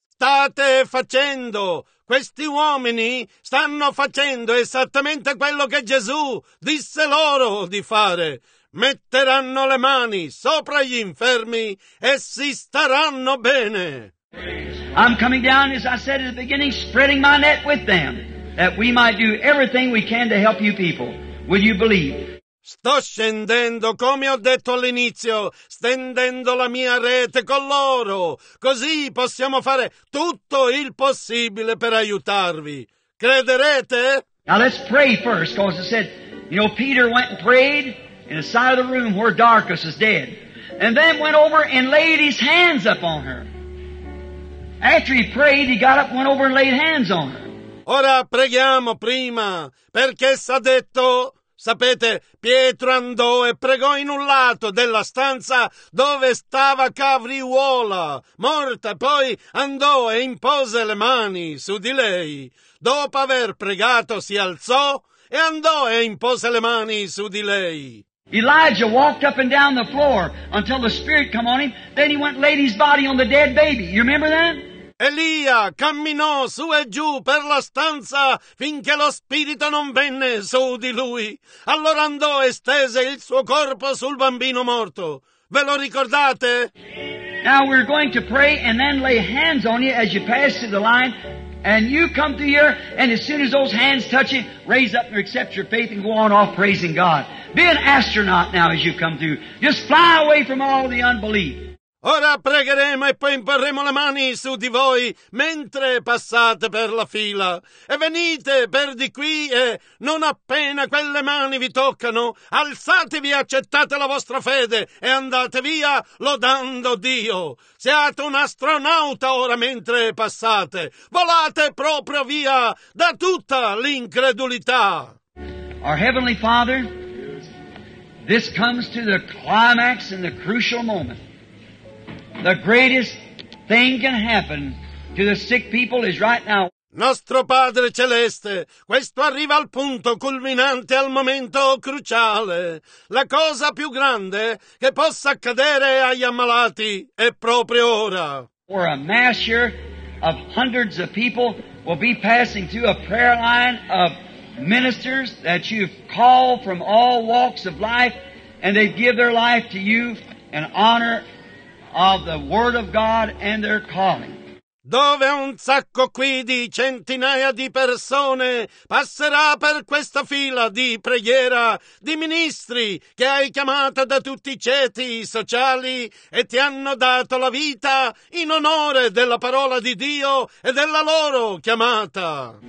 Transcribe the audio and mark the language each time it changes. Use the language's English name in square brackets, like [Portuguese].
[Italian] State facendo. Questi uomini stanno facendo esattamente quello che Gesù disse loro di fare. Metteranno le mani sopra gli infermi e si staranno bene. [English] I'm coming down, as I said at the beginning, spreading my net with them, that we might do everything we can to help you people. Will you believe? [Italian] Sto scendendo, come ho detto all'inizio, stendendo la mia rete con loro, così possiamo fare tutto il possibile per aiutarvi. Crederete? [English] Now let's pray first, because it said, you know, Peter went and prayed in the side of the room where Dorcas is dead, and then went over and laid his hands up on her. After he prayed, he got up, went over and laid hands on her. [Italian] Ora preghiamo prima, perché s'ha detto... Sapete, Pietro andò e pregò in un lato della stanza dove stava Cavriuola, morta, poi andò e impose le mani su di lei. Dopo aver pregato, si alzò e andò e impose le mani su di lei. [English] Elijah walked up and down the floor until the spirit come on him, then he went and laid his body on the dead baby. You remember that? [Italian] Elia camminò su e giù per la stanza finché lo spirito non venne su di lui. Allora andò e stese il suo corpo sul bambino morto. Ve lo ricordate? [English] Now we're going to pray and then lay hands on you as you pass through the line, and you come through here, and as soon as those hands touch you, raise up and accept your faith and go on off praising God. Be an astronaut now as you come through. Just fly away from all the unbelief. [Italian] Ora pregheremo e poi imporremo le mani su di voi mentre passate per la fila. E venite per di qui e non appena quelle mani vi toccano, alzatevi e accettate la vostra fede e andate via lodando Dio. Siate un astronauta ora mentre passate. Volate proprio via da tutta l'incredulità. [English] Our Heavenly Father, this comes to the climax in the crucial moment. The greatest thing can happen to the sick people is right now. [Italian] Nostro Padre Celeste, questo arriva al punto culminante, al momento cruciale. La cosa più grande che possa accadere agli ammalati è proprio ora. [English] Or a mass here of hundreds of people will be passing through a prayer line of ministers that you've called from all walks of life, and they give their life to you and honor of the Word of God and their calling. [Italian] Dove un sacco qui di centinaia di persone passerà per questa fila di preghiera di ministri che hai chiamato da tutti i ceti sociali e ti hanno dato la vita in onore della parola di Dio e della loro chiamata.